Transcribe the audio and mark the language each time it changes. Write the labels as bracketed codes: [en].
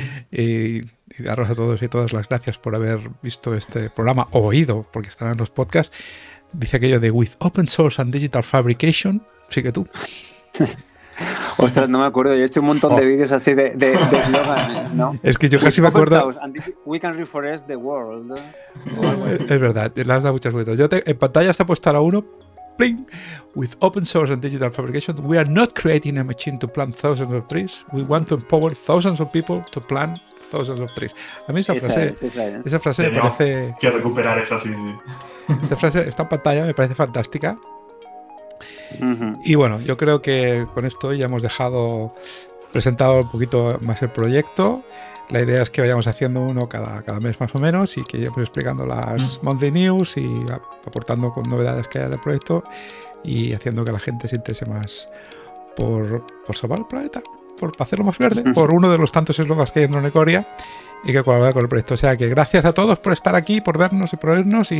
[es] Y daros a todos y todas las gracias por haber visto este programa, o oído, porque estarán en los podcasts. Dice aquello de [en] With Open Source and Digital Fabrication, [es] sigue tú. Ostras, no me acuerdo, yo he hecho un montón de vídeos así de eslóganes, ¿no? Es que yo casi me acuerdo. [en] We can reforest the world. [es] Es verdad, le has dado muchas vueltas. En pantalla está puesto ahora uno. ¡Pling! [en] With open source and digital fabrication, we are not creating a machine to plant thousands of trees. We want to empower thousands of people to plant thousands of trees. [es] A mí esa frase me parece. Que recuperar esa, sí. Esa frase está en pantalla, me parece fantástica. Uh-huh. Y bueno, yo creo que con esto ya hemos presentado un poquito más el proyecto. La idea es que vayamos haciendo uno cada mes más o menos, y que vayamos explicando las monthly news y aportando con novedades que haya del proyecto y haciendo que la gente se interese más por salvar el planeta, por hacerlo más verde, por uno de los tantos eslogans que hay en Bedrone Coria y que colabora con el proyecto. O sea que gracias a todos por estar aquí, por vernos y por oírnos.